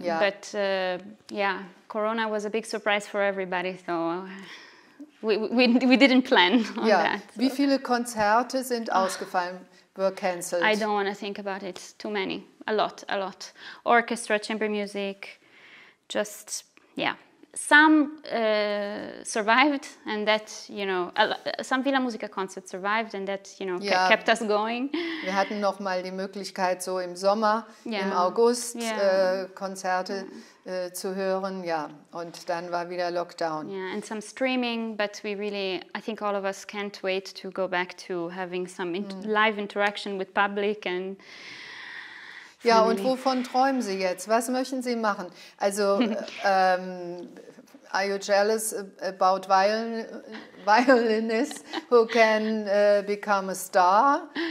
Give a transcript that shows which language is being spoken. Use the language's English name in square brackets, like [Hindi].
[English] But yeah, Corona was a big surprise for everybody, so we didn't plan on that. [German] So. Wie viele Konzerte sind ausgefallen, [English] were cancelled? I don't want to think about it. Too many. A lot. Orchestra, chamber music, just, yeah. Some survived, and that, you know, some Villa Musica concerts survived, and that, you know, kept us going. [German] Wir hatten noch mal die Möglichkeit, so im Sommer, im August, Konzerte zu hören, und dann war wieder Lockdown. [English] Yeah, and some streaming, but we really, I think all of us can't wait to go back to having some live interaction with public and... [German] Ja, und wovon träumen Sie jetzt? Was möchten Sie machen? [English] Also, are you jealous about violinists who can become a star?